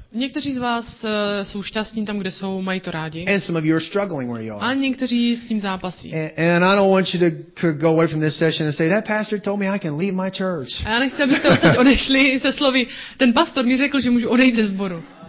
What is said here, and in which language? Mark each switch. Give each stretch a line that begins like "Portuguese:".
Czech: Někteří z vás jsou šťastní tam, kde jsou, mají to rádi.
English: And some of you are struggling where you are.
Czech: A někteří s tím zápasí.
English: And I don't want you to go away from this session and say that pastor told me I can leave my church.
Czech: A já nechci, abyste odešli se slovy. Ten pastor mi řekl, že můžu odejít ze sboru.